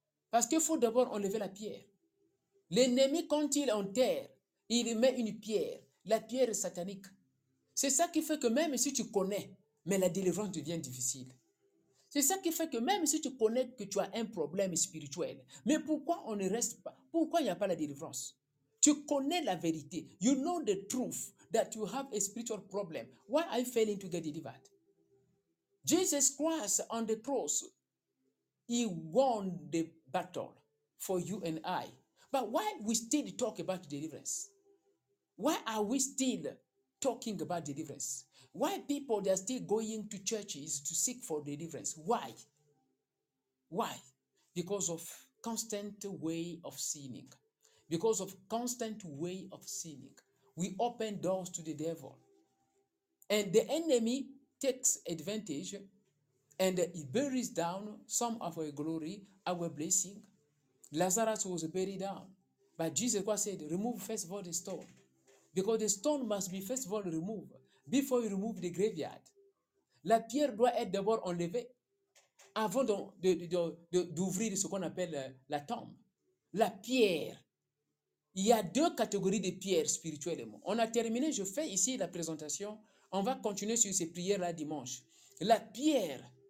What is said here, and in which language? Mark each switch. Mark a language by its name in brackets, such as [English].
[French] Parce qu'il faut d'abord enlever la pierre. L'ennemi, quand il enterre, il met une pierre. La pierre est satanique. C'est ça qui fait que même si tu connais, mais la délivrance devient difficile. C'est ça qui fait que même si tu connais que tu as un problème spirituel, mais pourquoi on ne reste pas? Pourquoi il n'y a pas la délivrance? Tu connais la vérité. [English] You know the truth that you have a spiritual problem. Why are you failing to get delivered? Jesus Christ on the cross, he won the battle for you and I. But why we still talk about deliverance? Why are we still talking about deliverance? Why people, they are still going to churches to seek for deliverance? Why? Why? Because of constant way of sinning. Because of constant way of sinning. We open doors to the devil. And the enemy takes advantage and he buries down some of our glory, our blessing. Lazarus was buried down. But Jesus Christ said, remove first of all the stone. Because the stone must be first of all removed before you remove the graveyard. [French] La pierre doit être d'abord enlevée avant d'ouvrir ce qu'on appelle la tombe. La pierre. Il y a 2 catégories de pierres spirituellement. On a terminé, je fais ici la présentation. On va continuer sur ces prières-là dimanche. La pierre.